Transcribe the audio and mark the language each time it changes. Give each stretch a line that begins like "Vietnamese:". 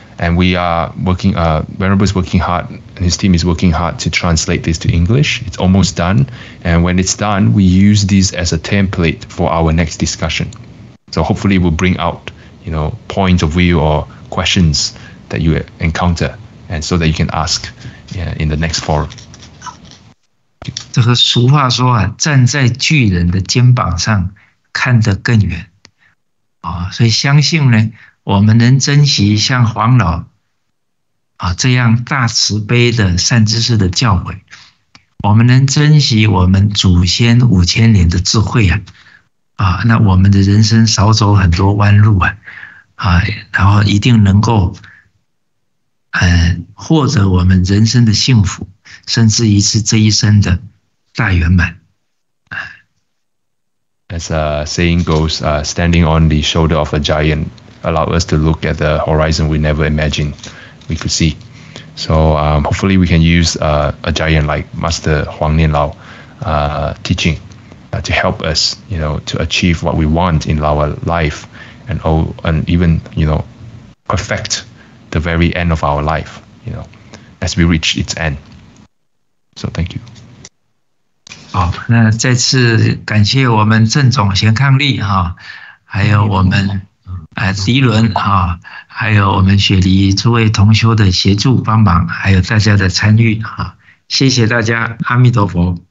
English: And we are working, Venerable is working hard, and his team is working hard to translate this to English. It's almost done. And when it's done, we use this as a template for our next discussion. So hopefully we'll bring out, you know, points of view or questions that you encounter, and so that you can ask in the next forum.
Chinese: 这个俗话说啊，站在巨人的肩膀上看得更远。所以相信呢，我们能珍惜像黄老这样大慈悲的善知识的教诲，我们能珍惜我们祖先五千年的智慧那我们的人生少走很多弯路然后一定能够获得我们人生的幸福，甚至于是这一生的大圆满。
English: As a saying goes, standing on the shoulder of a giant. Allow us to look at the horizon we never imagined we could see. So hopefully we can use a giant like Master Huang Nianlao teaching to help us, you know, to achieve what we want in our life and even, you know, perfect the very end of our life, you know, as we reach its end. So thank you.
Chinese: 好，那再次感谢我们郑总贤伉俪还有我们迪伦还有我们雪梨诸位同修的协助帮忙，还有大家的参与谢谢大家，阿弥陀佛。